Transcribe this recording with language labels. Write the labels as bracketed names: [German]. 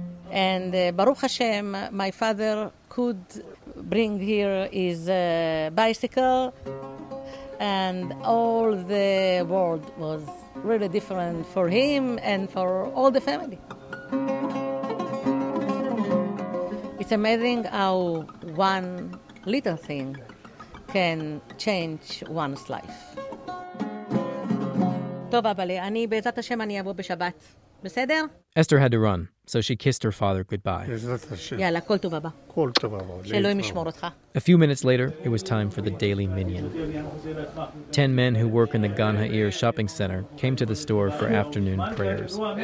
[English] And Baruch Hashem, my father could bring here his bicycle, and all the world was really different for him and for all the family. It's amazing how one little thing can change one's life. [Hebrew] טוב, אבאלי, אני בעזרת השם אני אבוא בשבת. בסדר? [English] Esther had to run, so she kissed her father goodbye. [Hebrew] יאללה, כל טוב אבא. כל טוב אבא. שאלוהים ישמור אותך. [English] A few minutes later, it was time for the daily minyan. 10 men who work in the Gan Ha'ir shopping center came to the store for afternoon prayers.